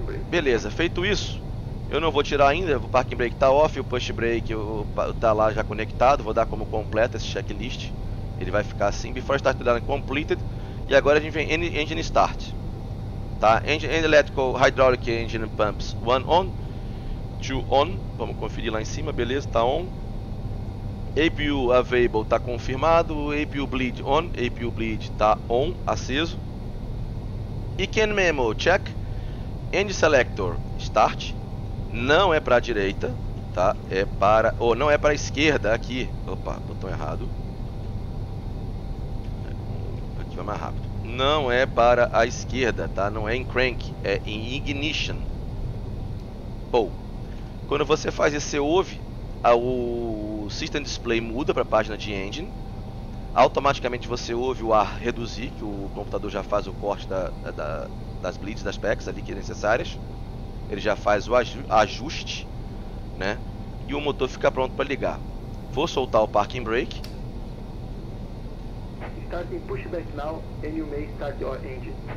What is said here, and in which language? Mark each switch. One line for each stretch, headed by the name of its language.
Portuguese: Beleza, feito isso. Eu não vou tirar ainda, o parking brake tá off, o push brake tá lá já conectado. Vou dar como completo esse checklist. Ele vai ficar assim,
English: before start done completed.
Portuguese: E agora a gente vem engine start.
English: Tá, engine electrical hydraulic engine pumps one on, two on.
Portuguese: Vamos conferir lá em cima, beleza, tá on. APU available tá confirmado, APU bleed on, APU bleed tá on, aceso.
English: Econ memo check, engine selector start.
Portuguese: Não é para a direita, tá? É para, ou não é para a esquerda aqui. Opa, botão errado. Aqui vai mais rápido. Não é para a esquerda, tá? Não é em crank, é em ignition. Bom, quando você faz esse OV, o system display muda para a página de engine. Automaticamente você ouve o ar reduzir, que o computador já faz o corte das bleeds, das packs ali que é necessárias. Ele já faz o ajuste, né? E o motor fica pronto para ligar. Vou soltar o parking brake.
English: Starting pushback now and you may start your engine.